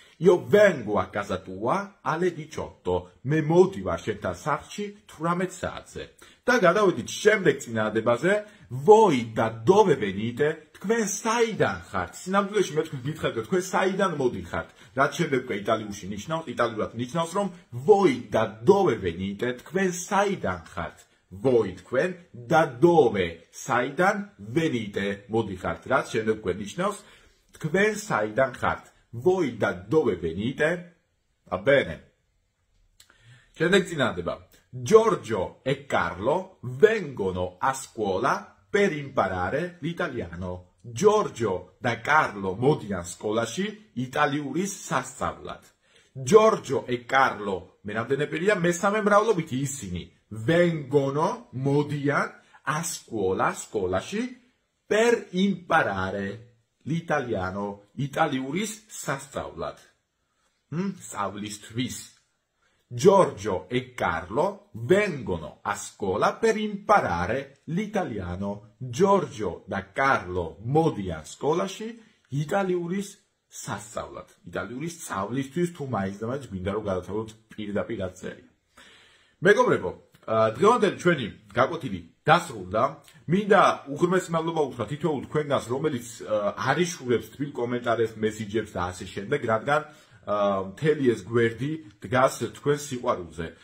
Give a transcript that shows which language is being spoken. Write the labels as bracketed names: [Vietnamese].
[Italian] Io vengo a casa tua alle 18. [Georgian] მე მოვდივარ შენთან სახლში 18 საათზე. Და გადავედით შემდეგ წინადადებაზე. [Italian] Voi da dove venite? [Georgian] Თქვენ საიდან ხართ? სინამდვილეში მე თქვენ გითხრათ, თქვენ საიდან მოდიხართ? რაც შემდეგ უკვე იტალიურში ნიშნავს, იტალიურად ნიშნავს, რომ [Italian] voi da dove venite? [Georgian] თქვენ საიდან ხართ? voi თქვენ და dove საიდან venite მოდიხართ რაც შემდეგ გვენიშნავს თქვენ საიდან ხართ voi და dove venite va bene შემდეგ წინადადება [Italian] Giorgio e Carlo vengono a scuola per imparare l'italiano [Georgian] Giorgio da Carlo მოდიან სკოლაში იტალიურის სასწავლად Giorgio e Carlo მენამდენებელია მესამე მრავლობით ისინი vengono მოდიან a scuola სკოლაში [Italian] per imparare l'italiano [Georgian] იტალიურის სასწავლად სწავლისთვის [Italian] Giorgio e Carlo vengono a scuola per imparare l'italiano. [Georgian] Giorgio da Carlo მოდიან სკოლაში იტალიურის სასწავლად. იტალიურის სწავლისთვის თუ მაინცდამაინც გვინდა რომ გადავთვალოთ პირდაპირ აღწერილი. მეგობრებო, დღევანდელი ჩვენი ჩვენი გაკვეთილი დასრულდა. მინდა უღრმესი მადლობა უთხრა თითოეულ თქვენას, რომელიც არიშურებს თბილ კომენტარებს, მესიჯებს და ასე შემდეგ, რადგან მთელი ეს გვერდი დგას თქვენ სიყვარულზე.